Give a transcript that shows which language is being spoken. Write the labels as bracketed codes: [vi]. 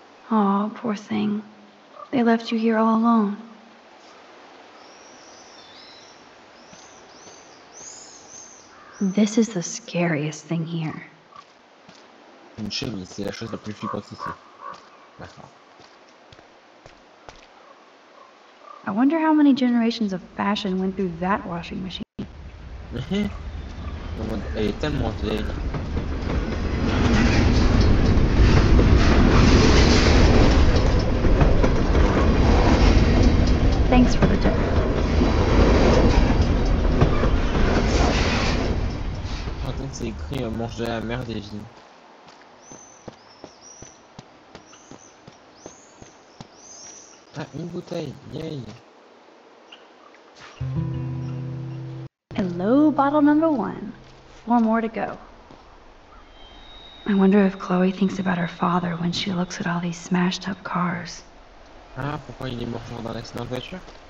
[en] Aw, poor thing. They left you here all alone. This is the scariest thing here. [fr] Une chimie, c'est la chose la plus flippante ici. D'accord. [en] I wonder how many generations of fashion went through that washing machine. [fr] Elle est tellement vieille. [en] Thanks for the tip. [fr] En fait, c'est écrit « Mange de la merde et vie ». Ah, une bouteille, yay! [en] Hello, bottle number one. 4 more to go. I wonder if Chloe thinks about her father when she looks at all these smashed up cars. [fr] Ah, pourquoi il est mort genre dans l'accident de voiture?